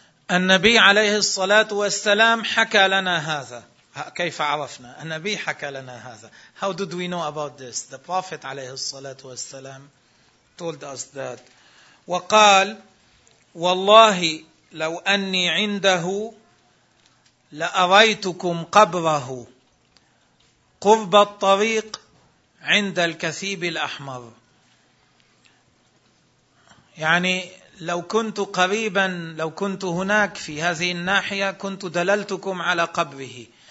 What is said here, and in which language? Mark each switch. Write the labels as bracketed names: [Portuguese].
[Arabic] النبي عليه الصلاة والسلام حكى لنا هذا. كيف عرفنا؟ النبي حكى لنا هذا. [English] How did we know about this? The Prophet [Arabic] عليه الصلاة والسلام [English] told us that. [Arabic] وقال والله لو أني عنده لأريتكم قبره قرب الطريق عند الكثيب الأحمر. يعني لو كنت قريبا، لو كنت هناك في هذه الناحية كنت دللتكم على قبره.